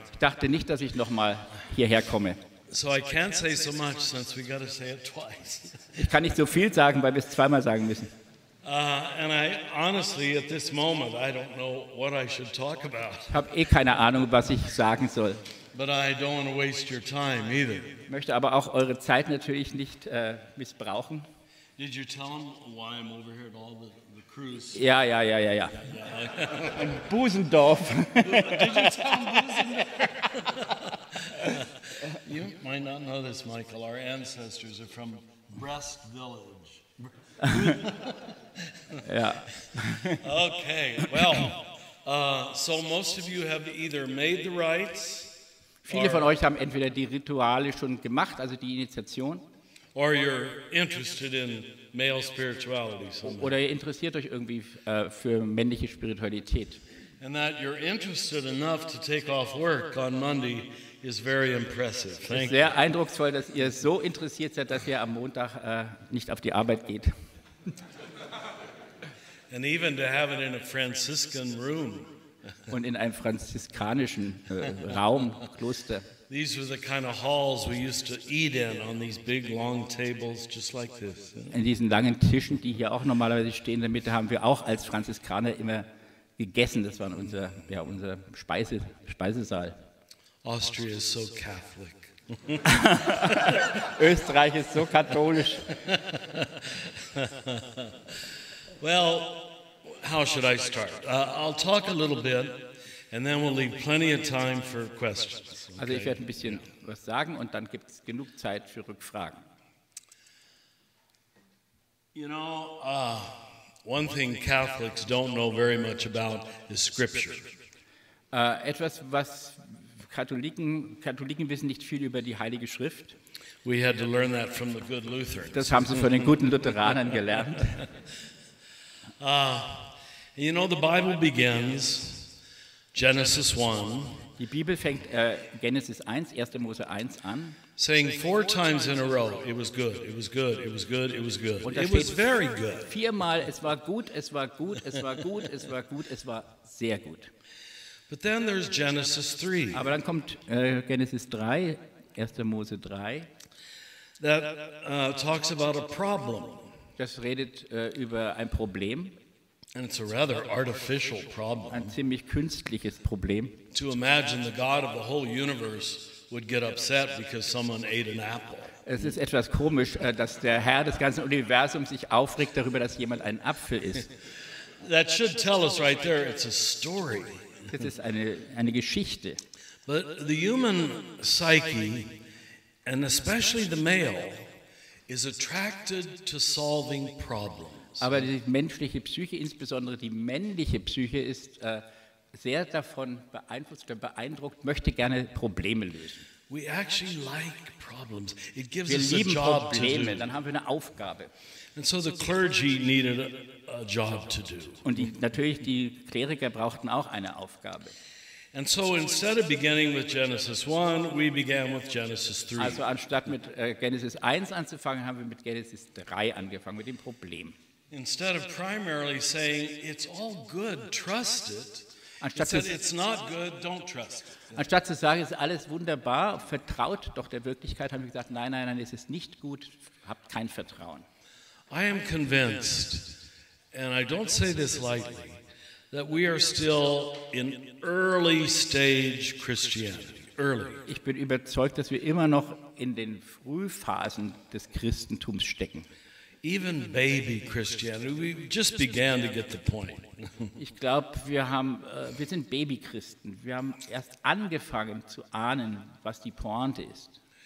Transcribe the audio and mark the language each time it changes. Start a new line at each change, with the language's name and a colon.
German: Ich dachte nicht, dass ich noch mal hierher komme.
English: So I can't say so much since we got to say it twice.
German: Ich kann nicht so viel sagen, weil wir es zweimal sagen müssen.
English: And I honestly at this moment I don't know what I should talk about.
German: Ich habe eh keine Ahnung, was ich sagen soll.
English: But I don't want to waste your time either.
German: Ich möchte aber auch eure Zeit natürlich nicht missbrauchen.
English: Did you tell him why I'm over here at all the cruise?
German: Ja. In Busendorf.
English: Did you tell him Busendorf? You might not know this, Michael. Our ancestors are from Brest Village. Yeah. Okay, well, so most of you have either made the rites.
German: Viele von euch haben entweder die Rituale schon gemacht, also die Initiation.
English: Or you're interested in male spirituality somehow.
German: Oder ihr interessiert euch irgendwie für männliche Spiritualität.
English: And that you're interested enough to take off work on Monday is very impressive. Thank you.
German: Sehr eindrucksvoll, dass ihr so interessiert seid, dass ihr am Montag nicht auf die Arbeit geht.
English: And even to have it in a Franciscan room.
German: Und in einem franziskanischen Raum, Kloster.
English: These were the kind of halls we used to eat in on these big long tables just like this.
German: In diesen langen Tischen, die hier auch normalerweise stehen, in der Mitte haben wir auch als Franziskaner immer gegessen. Das war unser, ja, unser Speisesaal.
English: Austria is so Catholic.
German: Österreich ist so katholisch.
English: Well, how should I start? I'll talk a little bit and then we'll leave plenty of time for questions. Okay.
German: Also ich werde ein bisschen was sagen und dann gibt es genug Zeit für Rückfragen.
English: You know, one thing Catholics don't know very much about is scripture.
German: Etwas, was Katholiken wissen nicht viel über die Heilige Schrift.
English: We had to learn that from the good Lutherans.
German: Das haben sie von den guten Lutheranern gelernt.
English: You know, the Bible begins Genesis 1.
German: Die Bibel fängt Genesis 1, 1. Mose 1 an.
English: Saying four times in a row, it was good, it was good, it was good, it was good. It was very good.
German: Viermal, es war gut, es war gut, es war gut, es war gut, es war sehr gut.
English: But then there's Genesis 3.
German: Aber dann kommt Genesis 3, 1. Mose 3.
English: That talks about a problem.
German: Das redet über ein Problem.
English: And it's a rather artificial problem.
German: Ein ziemlich künstliches Problem.
English: To imagine the God of the whole universe would get upset because someone ate an apple.
German: Es ist etwas komisch, dass der Herr des ganzen Universums sich aufregt darüber, dass jemand einen Apfel isst.
English: That should tell us right there it's a story.
German: Das ist eine Geschichte.
English: But the human psyche and especially the male is attracted to solving problems.
German: Aber die menschliche Psyche, insbesondere die männliche Psyche, ist sehr davon beeinflusst oder beeindruckt, möchte gerne Probleme lösen.
English: We actually like problems. It gives
German: wir
English: us
German: lieben
English: a job
German: Probleme,
English: to do.
German: Dann haben wir eine Aufgabe.
English: And so the clergy needed a job to do.
German: Und die, natürlich die Kleriker brauchten auch eine Aufgabe.
English: And so instead of beginning with Genesis 1, we began with Genesis 3.
German: Also anstatt mit Genesis 1 anzufangen, haben wir mit Genesis 3 angefangen, mit dem Problem.
English: Instead of primarily saying it's all good, trust it. Instead, it's not good, don't trust it.
German: Anstatt zu sagen, es ist alles wunderbar, vertraut doch der Wirklichkeit, haben wir gesagt, nein, es ist nicht gut, habt kein Vertrauen.
English: I am convinced, and I don't say this lightly, that we are still in early stage Christianity. Early.
German: Ich bin überzeugt, dass wir immer noch in den Frühphasen des Christentums stecken.
English: Even baby Christianity, we just began to get the point.
German: Ich glaube, wir sind Babychristen. Wir haben erst angefangen zu ahnen, was die Pointe ist.